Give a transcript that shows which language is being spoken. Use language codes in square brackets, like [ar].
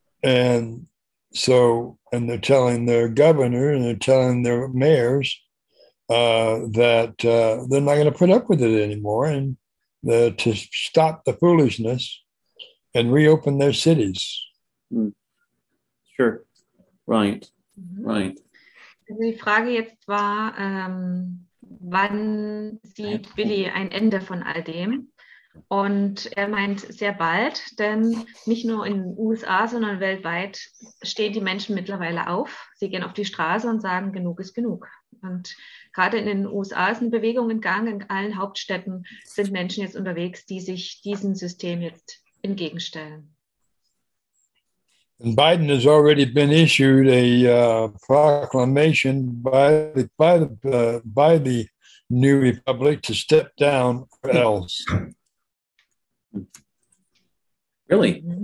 [en] And so, and they're telling their governor and they're telling their mayors that they're not going to put up with it anymore, and to stop the foolishness and reopen their cities. Mm. Sure. Right. Mm-hmm. Right. [de] Die Frage jetzt war, wann sieht Billy ein Ende von all dem? Und er meint sehr bald, denn nicht nur in den USA, sondern weltweit stehen die Menschen mittlerweile auf. Sie gehen auf die Straße und sagen, genug ist genug. Und gerade in den USA ist eine Bewegung in Gang. In allen Hauptstädten sind Menschen jetzt unterwegs, die sich diesem System jetzt entgegenstellen. [en] And Biden has already been issued a proclamation by the new republic to step down or else. Really?